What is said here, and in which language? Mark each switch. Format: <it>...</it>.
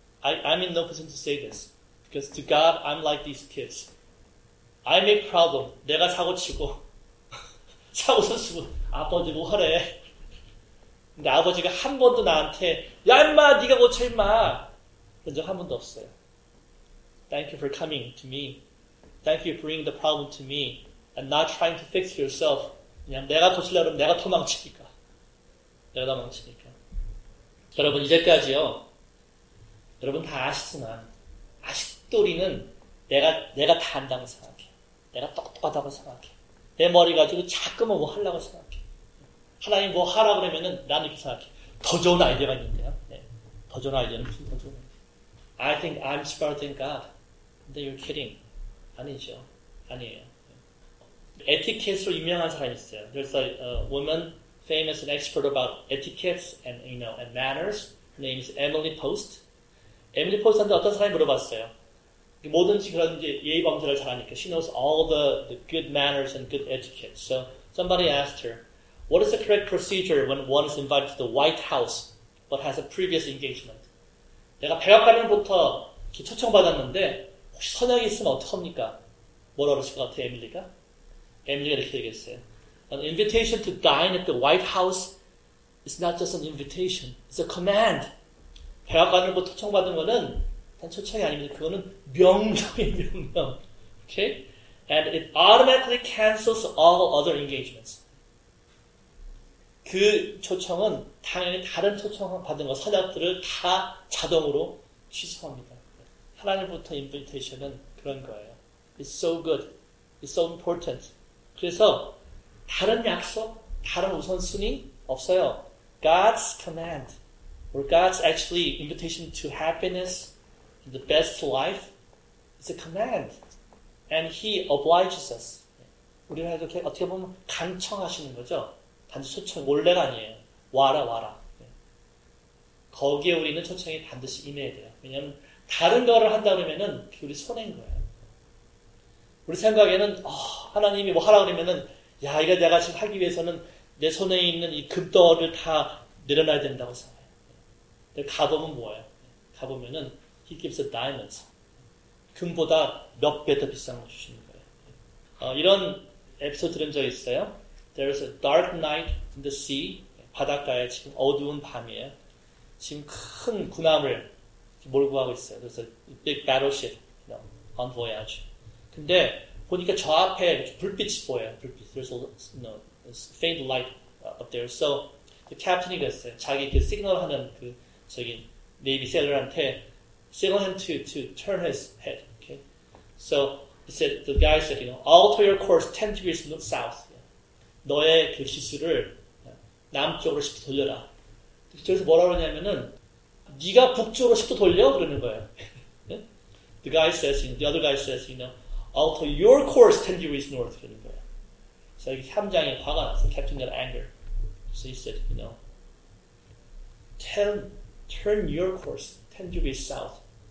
<en>I'm in no position to say this. Because to God, I'm like these kids. I make problems.</en> <ko>내가 사고치고 사고서 쓰고 아버지 뭐 하래. 근데 아버지가 한 번도 나한테 야 인마 네가 고쳐 인마 그런 적 한 번도 없어요.</ko> <en>Thank you for coming to me. Thank you for bringing the problem to me and not trying to fix yourself.</en> <ko>그냥 내가 고치려고 하면 내가 도망치니까. 내가 도망치니까. 여러분 이제까지요. 여러분 다 아시지만 아직도 우리는 내가 다 안다고 생각해. 내가 똑똑하다고 생각해. 내 머리 가지고 자꾸만 뭐 하려고 생각해. 하나님 뭐 하라 그러면은 나는 이렇게 생각해. 더 좋은 아이디어가 있는데요. 네. 더 좋은 아이디어는 무슨 더 좋은 아이디어.</ko> <en>I think I'm smarter than God. But you're kidding.</en> <ko>아니죠. 아니에요. 에티켓으로 유명한 사람이 있어요.</ko> <en>There's a woman famous and expert about etiquettes and, you know, and manners. Her name is Emily Post. Emily Post한테</en> <ko>어떤 사람이 물어봤어요. 뭐든지 그런 예의범절을 잘하니까</ko> <en>She knows all the good manners and good etiquette. So somebody asked her, What is the correct procedure when one is invited to the White House but has a previous engagement?</en> <ko>내가 백악관부터 초청받았는데 혹시 선약이 있으면 어떡합니까? 뭐라 그러실 것 같아요, 에밀리가? 에밀리가 이렇게 얘기했어요.</ko> <en>An invitation to dine at the White House is not just an invitation. It's a command.</en> <ko>백악관부터 초청받은 거는 초청이 아닙니다. 그거는 명령이에요, 명령.</ko> <en>Okay? And it automatically cancels all other engagements.</en> <ko>그 초청은 당연히 다른 초청 받은 거, 사역들을 다 자동으로 취소합니다. 하나님부터 인비테이션은 그 그런 거예요.</ko> <en>It's so good. It's so important.</en> <ko>그래서 다른 약속, 다른 우선순위 없어요.</ko> <en>God's command or God's actually invitation to happiness, the best life, it's a command. And He obliges us.</en> <ko>우리는 이렇게 어떻게 보면 간청하시는 거죠. 단지 초청, 원래가 아니에요. 와라, 와라. 거기에 우리는 초청이 반드시 임해야 돼요. 왜냐면 다른 거를 한다 그러면은 우리 손해인 거예요. 우리 생각에는 하나님이 뭐 하라 그러면은 야 이거 내가 지금 하기 위해서는 내 손에 있는 이 금덩어리를 다 내려놔야 된다고 생각해요. 근데 가보면 뭐예요? 가보면은</ko> <en>He gives a diamond.</en> <ko>금보다 몇 배 더 비싼 걸 주시는 거예요. 이런 에피소드 들은 적 있어요?</ko> <en>There is a dark night in the sea.</en> <ko>바닷가에 지금 어두운 밤이에요. 지금 큰 군함을 몰고 가고 있어요.</ko> <en>그래서 big battleship, you know, on voyage.</en> <ko>근데 보니까 저 앞에 불빛이 보여요. 불빛.</ko> <en>There's a, you know, faint light up there. So the captain이</en> <ko>그랬어요.</ko> <en>자기 그 signal</en> <ko>하는 그 저기</ko> <en>navy sailor한테 signal him to turn his head. Okay. So he said the guy said, you know, alter your course 10 degrees south.</en> <ko>너의 그 기술을 남쪽으로 10도 돌려라. 그래서 뭐라 그러냐면은 네가 북쪽으로 10도 돌려 그러는 거예요.</ko> <en>The guy says, the other guy says, you know, alter your course 10 degrees north</en> <ko>그러는 거예요. 그래서 이게 함장이 화가 났어요.</ko> <en>Captain got anger. So he said, you know, turn your course 10 degrees south.</en>